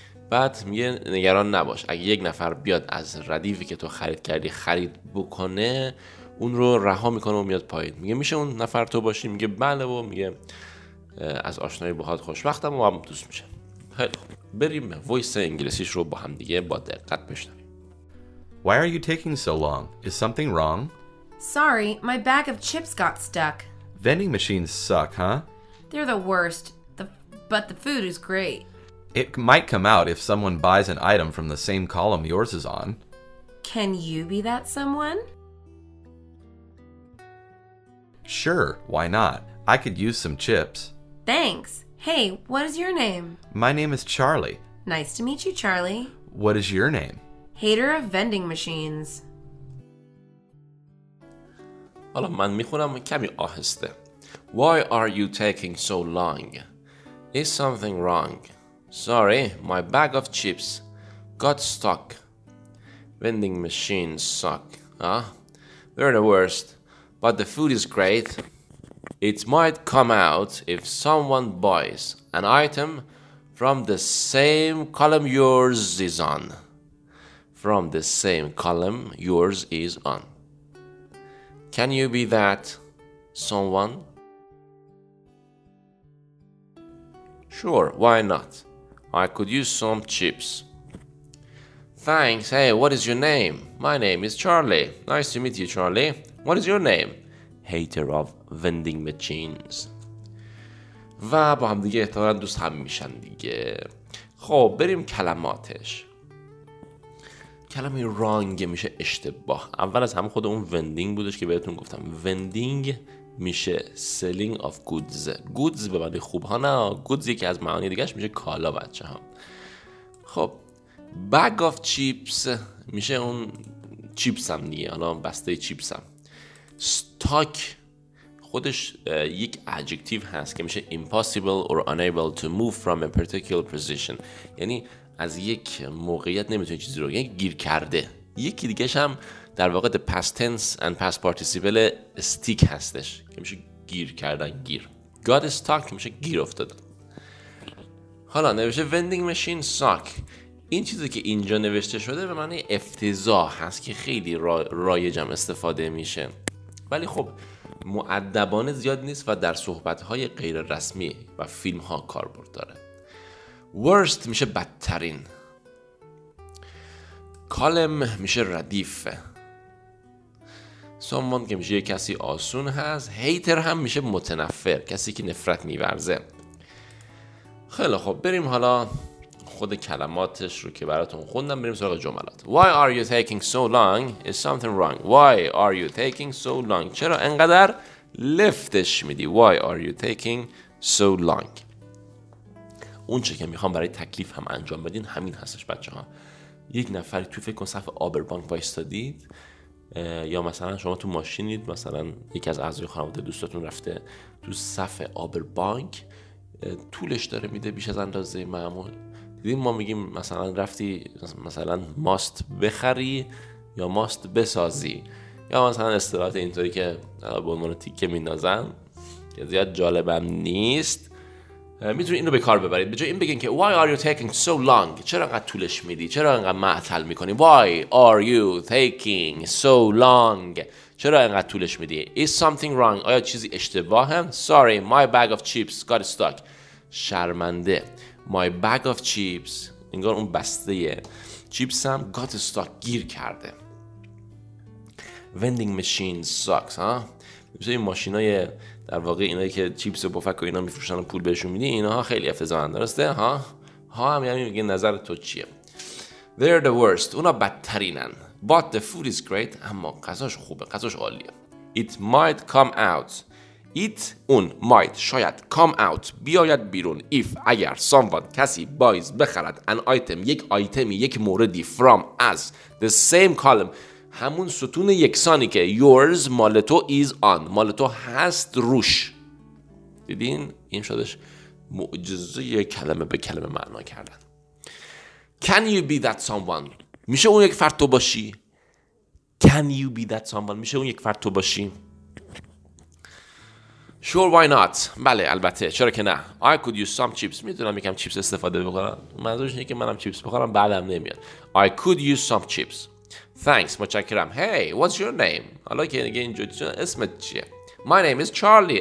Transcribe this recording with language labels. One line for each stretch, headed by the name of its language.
Persian: بعد میگه نگران نباش، اگه یک نفر بیاد از ردیفی که تو خرید کردی خرید بکنه، اون رو رها میکنه و میاد پایین. میگه میشه اون نفر تو باشی؟ میگه بله. و میگه از آشنایی باهات خوشبختم و هم دوست میشه. خیلی بریم وایس انگلیسیش رو با هم دیگه با دقت بشنویم.
English: Why are you taking so long? Is something wrong? Sorry, my bag of chips got stuck. Vending machines suck, huh? They're the worst. But the food is great. It might come out if someone buys an item from the same column yours is on. Can you be that someone? Sure, why not? I could use some chips. Thanks. Hey, what is your name? My name is Charlie. Nice to meet you, Charlie. What is your name? Hater of vending machines.
Persian: حالا من میخونم کمی آهسته.
English: Why are you taking so long? Is something wrong? Sorry, my bag of chips got stuck. Vending machines suck, huh? They're the worst. But the food is great. It might come out if someone buys an item from the same column yours is on. From the same column yours is on. Can you be that someone? Sure, why not? I could use some chips. Thanks. Hey, what is your name? My name is Charlie. Nice to meet you, Charlie. What is your name? Hater of vending machines.
Persian: و با هم دیگه احتمالاً دوست هم میشن دیگه. خب بریم کلماتش. کلمه رانگ میشه اشتباه. اول از همه خود اون vending بودش که بهتون گفتم.
English: vending
Persian: میشه
English: selling of goods.
Persian: goods به معنی خوب ها نه. goods یکی از معانی دیگه اش میشه کالا بچه ها. خب bag of chips میشه اون چیپس هم دیگه. حالا بسته چیپس هم. stuck خودش یک ادجکتیو هست که میشه
English: impossible or unable to move from a particular position،
Persian: یعنی از یک موقعیت نمیتونه چیزی رو، یعنی گیر کرده. یکی دیگه‌ش هم در واقع
English: the past tense and past participle stick
Persian: هستش که میشه گیر کردن، گیر.
English: got stuck
Persian: میشه گیر افتادن. حالا نوشته
English: vending machine suck.
Persian: این چیزی که اینجا نوشته شده به معنی افتضاح هست که خیلی رایج هم استفاده میشه، ولی خب مؤدبانه زیاد نیست و در صحبت‌های غیر رسمی و فیلم‌ها کاربرد داره. worst میشه بدترین. column میشه ردیف. someone که میشه کسی آسون هست. hater هم میشه متنفر، کسی که نفرت می‌ورزه. خیلی خب بریم حالا خود کلماتش رو که براتون خوندم بریم سراغ جملات.
English: Why are you taking so long? Is something wrong? Why are you taking so long?
Persian: چرا انقدر لفتش میدی؟
English: Why are you taking so long?
Persian: اون چه که میخوام برای تکلیف هم انجام بدین همین هستش بچه ها. یک نفری تو فکر کن صف آبربانک وایستادید، یا مثلا شما تو ماشینید، مثلا یکی از اعضای خانواده دوستاتون رفته تو صف آبربانک، طولش داره میده بیش از اندازه معمول. دیدیم ما میگیم مثلا رفتی مثلا ماست بخری یا ماست بسازی، یا مثلا اصطلاحات اینطوری که به عنوان تیکه میندازن که زیاد جالبم نیست، میتونی اینو به کار ببرید. به جای این بگین که
English: Why are you taking so long؟
Persian: چرا انقدر طولش میدی؟ چرا انقدر معطل میکنی؟
English: Why are you taking so long؟
Persian: چرا انقدر طولش میدی؟
English: Is something wrong؟
Persian: آیا چیزی اشتباهه؟
English: Sorry, my bag of chips got stuck.
Persian: شرمنده.
English: My bag of chips,
Persian: انگار اون بسته چیپس هم
English: got stuck,
Persian: گیر کرده.
English: Vending machine sucks,
Persian: ها؟ مثل این ماشین های در واقع اینایی که چیپس و پفک و اینا میفروشن و پول بهشون میدی، اینا ها خیلی افتضاحن، درسته؟ ها؟ ها هم یعنی میگه نظر تو چیه؟
English: They're the worst,
Persian: اونا بدترینن.
English: But the food is great,
Persian: اما غذاش خوبه، غذاش عالیه.
English: It might come out. It,
Persian: اون,
English: might,
Persian: شاید,
English: come out,
Persian: بیاید بیرون.
English: If,
Persian: اگر,
English: someone,
Persian: کسی,
English: buys,
Persian: بخرد,
English: an item,
Persian: یک آیتمی, یک موردی,
English: from, as, the same column,
Persian: همون ستون یکسانی که
English: yours,
Persian: مال تو,
English: is on,
Persian: مال تو هست روش. دیدین؟ این شدش معجزه کلمه به کلمه معنا کردن.
English: Can you be that someone؟
Persian: میشه اون یک فرد تو باشی؟
English: Can you be that someone؟ میشه اون یک فرد تو باشی؟ Sure, why not?
Persian: بله، البته، چرا که نه.
English: I could use some chips.
Persian: میتونم یکم چیپس استفاده بکنم. منظورش اینه که منم چیپس بخورم، بعدم نمیاد.
English: I could use some chips. Thanks.
Persian: متشکرم.
English: Hey, what's your name?
Persian: حالا که دیگه اینجوری اسمت چیه؟
English: My name is Charlie.